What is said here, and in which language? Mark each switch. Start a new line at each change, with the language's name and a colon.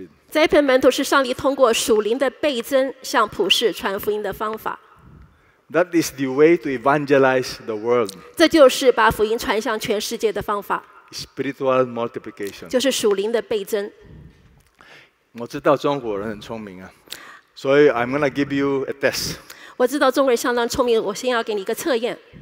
Chinese: 这一篇门徒是上帝通过属灵的倍增向普世传福音的方法。
English: That is the way to evangelize the world.
Chinese: 这就是把福音传向全世界的方法。
English: Spiritual multiplication.
Chinese: 就是属灵的倍增。我知道中国人很聪明啊，所以
English: I'm going to give you a test.
Chinese: 我知道中国人相当聪明，我先要给你一个测验。